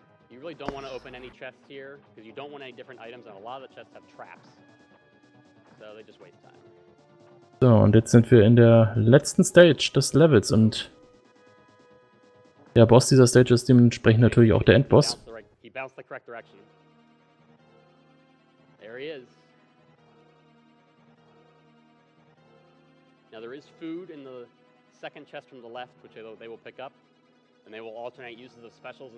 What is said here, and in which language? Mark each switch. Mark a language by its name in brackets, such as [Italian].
[English] You really don't want to open any chests here, because you don't want any different items, and a lot of the chests have traps. So they just waste time. [German] So, und jetzt sind wir in der letzten Stage des Levels und der Boss dieser Stage ist dementsprechend natürlich auch der Endboss. [English] He bounced the correct direction. There he is. Now there is food in the second chest from the left, which they will pick up, and they will alternate uses of specials.